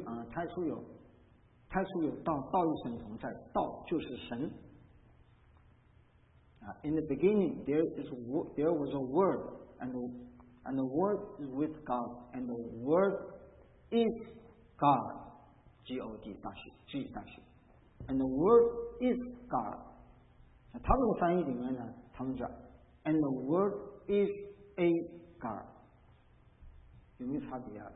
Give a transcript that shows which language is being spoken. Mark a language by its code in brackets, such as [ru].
[zh] 太初有道，道与神同在，道就是神。 [en] In the beginning there was a word and the word is with God and the word is God， G-O-D [zh] 大写 G 大写 [en] and the word is God。 [zh] 他们的翻译里面呢，他们讲 [en] and the word is a God， [zh] 有没有差别啊？